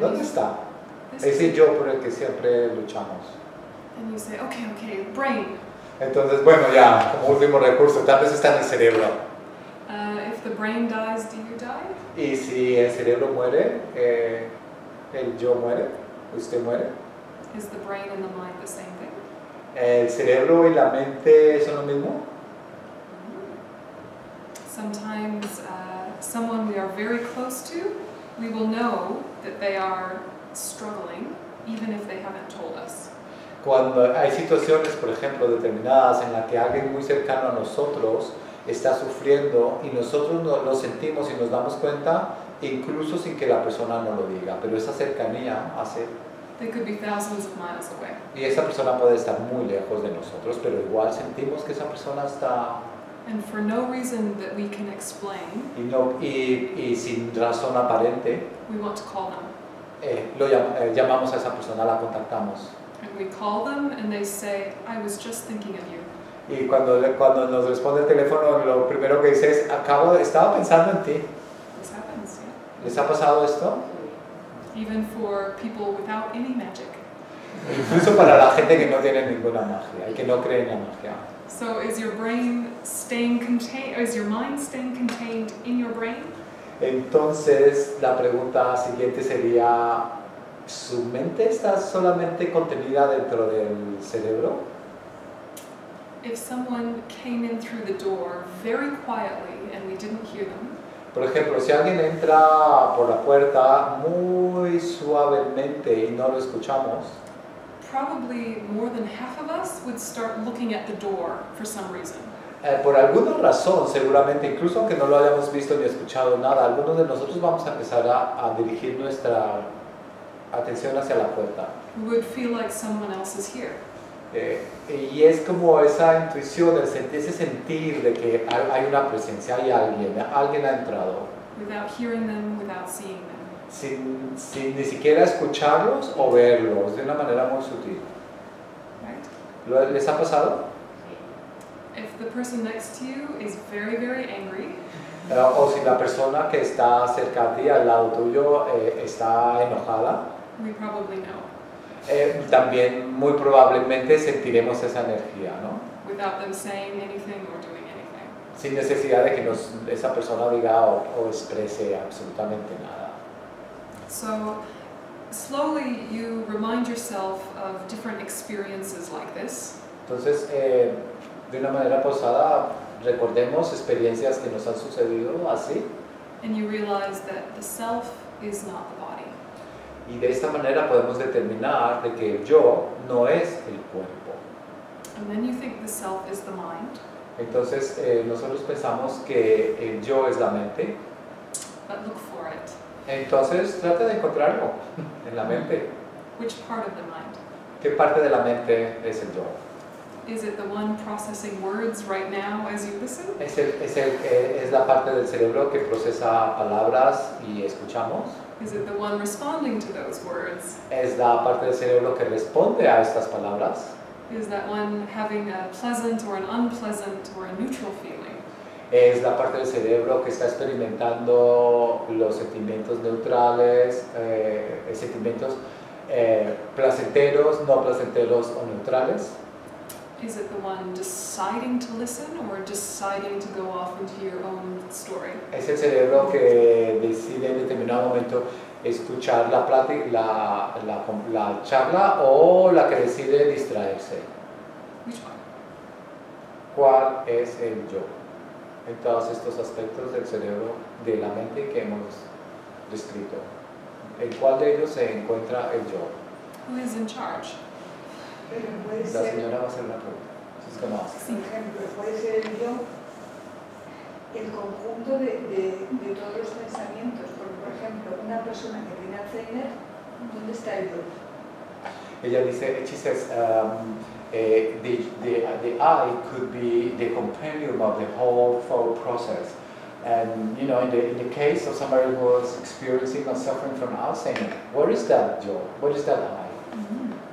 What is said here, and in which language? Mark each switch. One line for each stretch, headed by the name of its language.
Spanish: ¿dónde está? Ese yo por el que siempre luchamos.
English: And you say, okay, brain.
Spanish: Entonces, bueno, ya, como último recurso, tal vez está en el cerebro.
English: If the brain dies, do you die?
Spanish: Y si el cerebro muere, el yo muere, usted muere.
English: Is the brain and the mind the same thing?
Spanish: ¿El cerebro y la mente son lo mismo?
English: Sometimes someone we are very close to, we will know that they are struggling, even if they haven't told us.
Spanish: Cuando hay situaciones, por ejemplo, determinadas en las que alguien muy cercano a nosotros está sufriendo y nosotros lo sentimos y nos damos cuenta incluso sin que la persona nos lo diga, pero esa cercanía hace.
English: They could be thousands of miles away.
Spanish: Y esa persona puede estar muy lejos de nosotros, pero igual sentimos que esa persona está.
English: And for no reason that we can explain.
Spanish: Y sin razón aparente.
English: We want to call them.
Spanish: Llamamos a esa persona, la contactamos.
English: And we call them and they say, I was just thinking of you.
Spanish: Y cuando nos responde el teléfono, lo primero que dice es, estaba pensando en ti.
English: This happens, yeah.
Spanish: ¿Les ha pasado esto?
English: Even for people without any magic.
Spanish: Incluso para la gente que no tiene ninguna magia y que no cree en la magia.
English: So is your brain staying contained? Is your mind staying contained in your brain?
Spanish: Entonces la pregunta siguiente sería: ¿su mente está solamente contenida dentro del cerebro?
English: If someone came in through the door very quietly and we didn't hear them.
Spanish: Por ejemplo, si alguien entra por la puerta muy suavemente y no lo escuchamos.
English: Probably more than half of us would start looking at the door for some reason.
Spanish: Por alguna razón, seguramente, incluso aunque no lo hayamos visto ni escuchado nada, algunos de nosotros vamos a empezar a dirigir nuestra atención hacia la puerta.
English: We would feel like someone else is here.
Spanish: Y es como esa intuición, ese sentir de que hay una presencia, hay alguien, ha entrado.
English: Without hearing them, without seeing them.
Spanish: Sin ni siquiera escucharlos o verlos de una manera muy sutil.
English: Right.
Spanish: ¿Les ha pasado?
English: If the person next to you is very, very angry.
Spanish: O si la persona que está cerca de ti, al lado tuyo, está enojada.
English: We probably know.
Spanish: También muy probablemente sentiremos esa energía, ¿no?
English: Without them saying anything or doing anything.
Spanish: Sin necesidad de que esa persona diga o exprese absolutamente nada.
English: So, slowly you remind yourself of different experiences like this.
Spanish: Entonces, de una manera pausada, recordemos experiencias que nos han sucedido así.
English: And you realize that the self is not the body.
Spanish: Y de esta manera podemos determinar de que el yo no es el cuerpo.
English: And then you think the self is the mind.
Spanish: Entonces, nosotros pensamos que el yo es la mente.
English: But look for it.
Spanish: Entonces, trata de encontrarlo en la mente.
English: Which part of the mind?
Spanish: ¿Qué parte de la mente es el yo?
English: Is it the one processing words right now as you listen?
Spanish: Es la parte del cerebro que procesa palabras y escuchamos.
English: Is it the one responding to those words?
Spanish: Es la parte del cerebro que responde a estas palabras.
English: Is that one having a pleasant or an unpleasant or a neutral feeling?
Spanish: Es la parte del cerebro que está experimentando los sentimientos neutrales, sentimientos placenteros, no placenteros o neutrales.
English: Is it the one deciding to listen or deciding to go off into your own story?
Spanish: ¿Es el cerebro que decide en determinado momento escuchar la plática, la charla o la que decide distraerse?
English: Which one?
Spanish: ¿Cuál es el yo? En todos estos aspectos del cerebro, de la mente que hemos descrito. ¿En cuál de ellos se encuentra el yo?
English: Who is in charge?
Spanish: La señora va a hacer la pregunta. Sí, es como así. ¿Puede ser el yo el conjunto de todos los pensamientos? Por ejemplo, una persona que tiene Alzheimer, ¿dónde está el yo? Ella dice,
English: she says, the I could be the compendium of the whole thought process. And, you know, in the case of somebody who is experiencing or suffering from Alzheimer, what is that yo? What is that I? Mm-hmm.